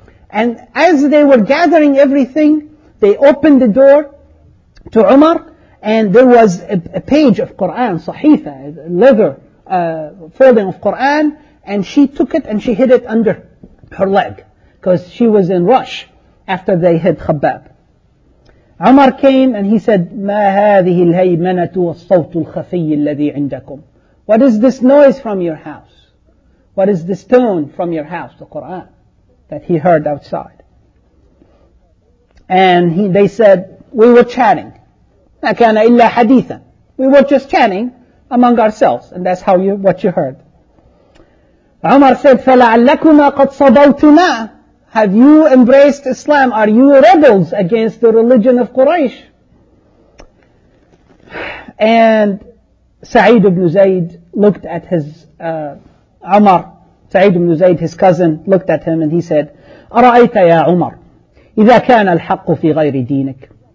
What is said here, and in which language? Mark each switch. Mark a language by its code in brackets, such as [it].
[en] And as they were gathering everything, they opened the door to Umar, and there was a page of Quran, Sahifa, leather folding of Quran, and she took it and she hid it under her leg. Because she was in rush after they hit Khabbab. Umar came and he said, [ar] مَا هَذِهِ الْهَيْمَنَةُ وَالصَّوْتُ الْخَفِيِّ الَّذِي عِنْدَكُمْ. [en] What is this noise from your house? What is this tone from your house? The Quran that he heard outside. And they said, we were chatting. [ar] مَا كَانَ إِلَّا حَدِيثًا. [en] We were just chatting among ourselves. And that's what you heard. Umar said, [ar] فَلَعَلَّكُمَا قَدْ صَبَوْتُمَا. [en] Have you embraced Islam? Are you rebels against the religion of Quraysh? And Sa'id ibn Zayd looked at his Umar. Sa'id ibn Zayd, his cousin, looked at him and he said, [ar] أَرَأَيْتَ يَا عُمَرْ إِذَا كَانَ الْحَقُّ فِي غَيْرِ دِينِكَ.